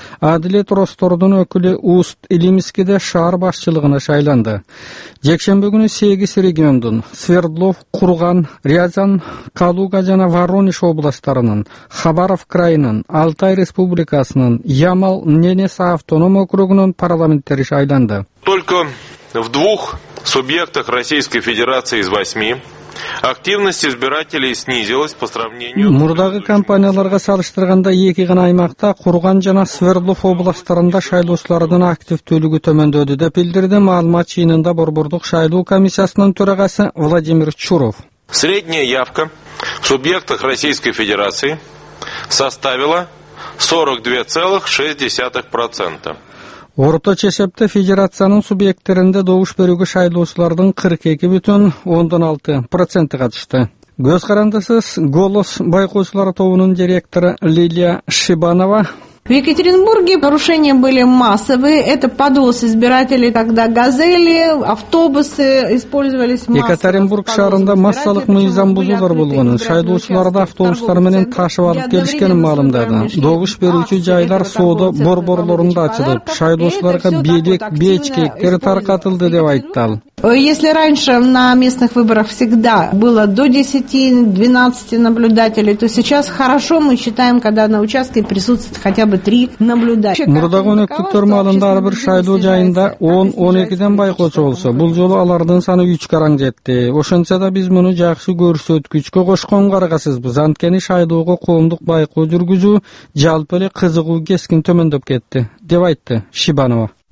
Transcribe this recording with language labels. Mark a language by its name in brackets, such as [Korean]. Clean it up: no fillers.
[Kyrgyz] Адилет Ростордун өкүлү Уст Илимскиде шаар башчылыгына шайланды. Жекшембе күнү 8 региондун Свердлов, Курган, Рязан, Калуга жана Воронеж областтарынын, Хабаров крайынын, Алтай республикасынын, Ямал Ненец автоном округунун парламенттери шайланды. [Russian] Только в двух субъектах Российской Федерации из 8 активность избирателей снизилась по сравнению. [Kyrgyz] Мурдагы кампанияларга салыштырганда эки гана аймакта Курган жана Свердлов областарында шайлоочулардын активдүүлүгү төмөндөдү деп билдирди маалымат жыйынында борбордук шайлоо комиссиясынын төрагасы Владимир Чуров. [Russian] Средняя явка в субъектах Российской Федерации составила 42,6%. [Kyrgyz] Орточо эсепте федерациянын субъекттеринде добуш берүүгө шайлоочулардын 42.6% катышты. Көз карандысыз Голос байкоочулар тобунун директору Лилия Шибанова. [Russian] В Екатеринбурге нарушения были массовые. Это подвоз избирателей, когда газели, автобусы использовались массово. [Kyrgyz] Екатеринбург шаарында массалык мыйзам бузуулар болгон. Шайлоочуларды автобустар менен ташып алып келишкенин маалымдады. Добуш берүүчү жайлар соодо борборлорунда ачылып, шайлоочуларга белек, бечкектер таркатылды деп айтты ал. [Russian] Если раньше на местных выборах всегда было до 10-12 наблюдателей, то сейчас хорошо мы считаем, когда на участке присутствует хотя бы 3 наблюдателя. [Kyrgyz] Мурдагы өнөктүктөр маалында ар бир шайлоо жайында 10-12 байкоочу болсо, бул жолу алардын саны 3 караң жетти. Ошентсе да биз муну жакшы көрсөткүчкө кошкон каргасызбыз. Анткени шайлоого коомдук байкоо жүргүзүү жалпы эле кызыгуу кескин төмөндөп кетти, деп айтты Шибанова.